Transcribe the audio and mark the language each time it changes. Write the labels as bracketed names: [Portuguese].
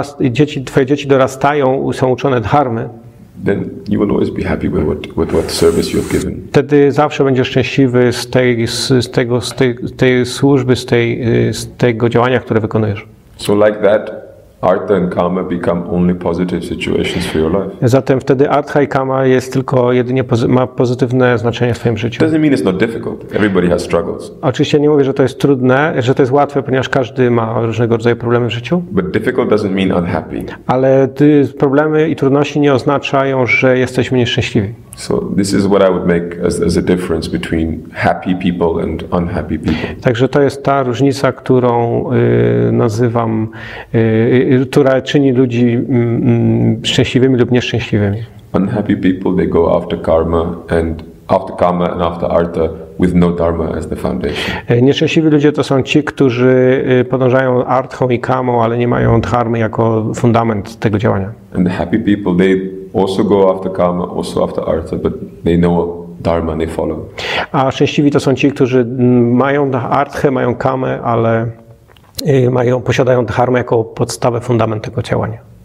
[Polish] Dzieci, twoje dzieci dorastają, są uczone dharmy. [English] Then you will always be happy with what service you have given. [Polish] Wtedy zawsze będziesz szczęśliwy z tej służby, z tego działania, które wykonujesz. [English] So like that, artha and kama become only positive situations for your life. [Polish] Zatem wtedy artha i kama jest tylko jedynie ma pozytywne znaczenie w twoim życiu. [English] Doesn't mean it's not difficult. Everybody has struggles. [Polish] Oczywiście nie mówię, że to jest trudne, że to jest łatwe, ponieważ każdy ma różnego rodzaju problemy w życiu. [English] But difficult doesn't mean unhappy. [Polish] Ale problemy i trudności nie oznaczają, że jesteśmy nieszczęśliwi. [English] So this is what I would make as a difference between happy people and unhappy people. [Polish] Także to jest ta różnica, którą nazywam która czyni ludzi szczęśliwymi lub nieszczęśliwymi. [English] Unhappy people, they go after karma and after karma and after artha with no dharma as the foundation. [Polish] Nieszczęśliwi ludzie to są ci, którzy podążają arthą i kamą, ale nie mają dharmy jako fundament tego działania. [English] And the happy people, they also go after karma, also after artha, but they know dharma, they follow. [Polish] A szczęśliwi to są ci, którzy mają arthę, mają kamę, ale posiadają dharmę jako podstawę, fundament tego działania.